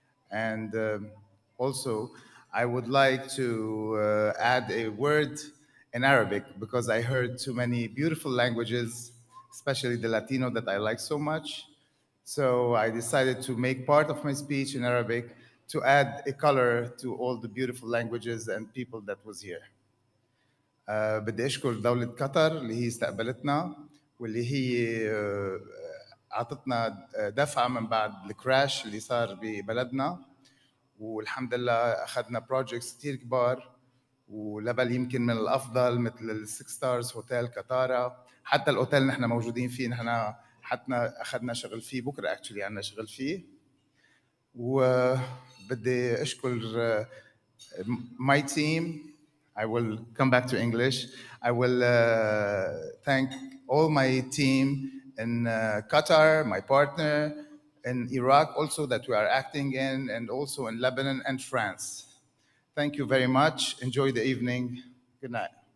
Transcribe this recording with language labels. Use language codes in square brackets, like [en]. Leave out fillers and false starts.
[en] And also, I would like to add a word in Arabic, because I heard too many beautiful languages, especially the Latino that I like so much. So I decided to make part of my speech in Arabic to add a color to all the beautiful languages and people that was here. [ar] بدي اشكر دولة قطر اللي هي استقبلتنا واللي هي اعطتنا دفعة من بعد الكراش اللي صار ببلدنا والحمد لله اخذنا projects كتير كبار ولبل يمكن من الافضل مثل الستار ستارز هوتيل قطارة حتى الاوتيل نحن موجودين فيه نحن حتى اخذنا شغل فيه بكرة [en] actually [ar] عنا شغل فيه و بدي اشكر [en] my team. I will come back to English. I will thank all my team in Qatar, my partner in Iraq also that we are acting in, and also in Lebanon and France. Thank you very much. Enjoy the evening. Good night.